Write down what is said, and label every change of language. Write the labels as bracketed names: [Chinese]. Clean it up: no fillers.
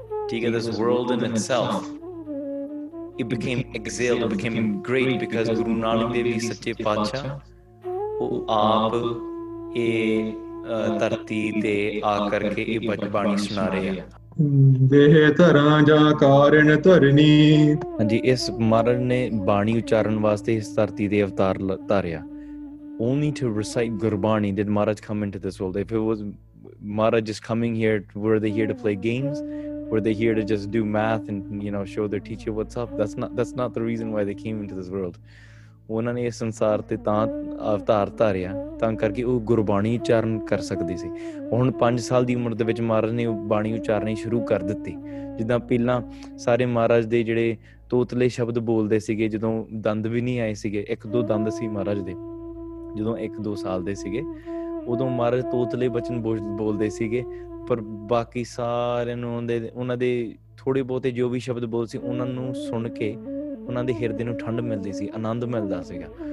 [Punjabi] ਠੀਕ ਹੈ, [English] this world in itself it became exalted, became great [Punjabi] because Guru Nanak Dev Ji ਸੱਚੇ ਪਾਤਸ਼ਾਹ ਉਹ ਆਪ ਇਹ ਧਰਤੀ ਤੇ ਆ ਕਰਕੇ ਇਹ ਬਚ ਬਾਣੀ ਸੁਣਾ ਰਹੇ ਆ। ਦੇਹ ਧਰਾਂ ਜਾਂ ਕਾਰਨ ਧਰਨੀ, ਹਾਂਜੀ, ਇਸ ਮਹਾਰਾਜ ਨੇ ਬਾਣੀ ਉਚਾਰਨ ਵਾਸਤੇ ਇਸ ਧਰਤੀ ਦੇ ਅਵਤਾਰ ਧਾਰਿਆ। [English] Only to recite Gurbani did Maharaj come into this world. If it was Maharaj just coming here, were they here to play games? Were they here to just do math and, you know, show their teacher what's up? That's not the reason why they came into this world. [Punjabi] ਉਹਨਾਂ ਨੇ ਇਸ ਸੰਸਾਰ ਤੇ ਤਾਂ ਅਵਤਾਰ ਧਾਰਿਆ ਤਾਂ ਕਰਕੇ ਉਹ ਗੁਰਬਾਣੀ ਉਚਾਰਨ ਕਰ ਸਕਦੇ ਸੀ। ਹੁਣ 5 ਸਾਲ ਦੀ ਉਮਰ ਦੇ ਵਿੱਚ ਮਹਾਰਾਜ ਨੇ ਬਾਣੀ ਉਚਾਰਨੀ ਸ਼ੁਰੂ ਕਰ ਦਿੱਤੀ। ਜਿੱਦਾਂ ਪਹਿਲਾਂ ਸਾਰੇ ਮਹਾਰਾਜ ਦੇ ਜਿਹੜੇ ਤੋਤਲੇ ਸ਼ਬਦ ਬੋਲਦੇ ਸੀਗੇ ਜਦੋਂ ਦੰਦ ਵੀ ਨਹੀਂ ਆਏ ਸੀਗੇ, 1-2 ਦੰਦ ਸੀ ਮਹਾਰਾਜ ਦੇ ਜਦੋਂ 1-2 ਸਾਲ ਦੇ ਸੀਗੇ, ਉਦੋਂ ਮਹਾਰਾਜ ਤੋਤਲੇ ਬਚਨ ਬੋਲਦੇ ਸੀਗੇ, ਪਰ ਬਾਕੀ ਸਾਰਿਆਂ ਨੂੰ ਉਹਨਾਂ ਦੇ ਥੋੜ੍ਹੇ ਬਹੁਤੇ ਜੋ ਵੀ ਸ਼ਬਦ ਬੋਲ ਸੀ ਉਹਨਾਂ ਨੂੰ ਸੁਣ ਕੇ ਉਹਨਾਂ ਦੇ ਹਿਰਦੇ ਨੂੰ ਠੰਡ ਮਿਲਦੀ ਸੀ, ਆਨੰਦ ਮਿਲਦਾ ਸੀਗਾ।